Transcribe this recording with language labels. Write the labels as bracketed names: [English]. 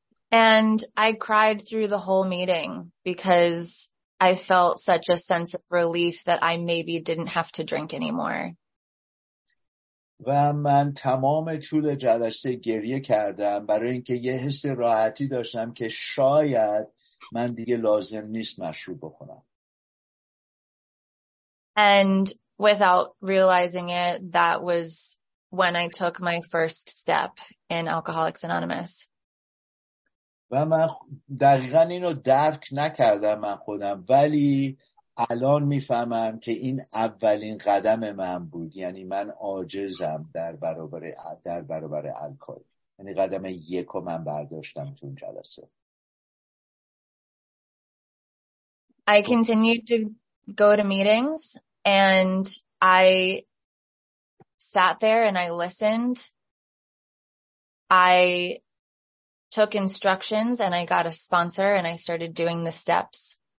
[English] And I cried through the whole meeting because I felt such a sense of relief that I maybe didn't have to drink anymore. [Persian] و من تمام طول جلسه گریه کردم برای اینکه یه حس راحتی داشتم که شاید من دیگه لازم نیست مشروب بخورم. [English] And without realizing it, that was when I took my first step in Alcoholics Anonymous. [Persian] و من دقیقاً اینو درک نکردم من خودم، ولی الان میفهمم که این اولین قدم من بود. یعنی من عاجزم در برابر الکل. یعنی قدم یکو من برداشتم تو اون جلسه. [English] I continued to go to meetings and I sat there and I listened. I took instructions and I got a sponsor and I started doing the steps.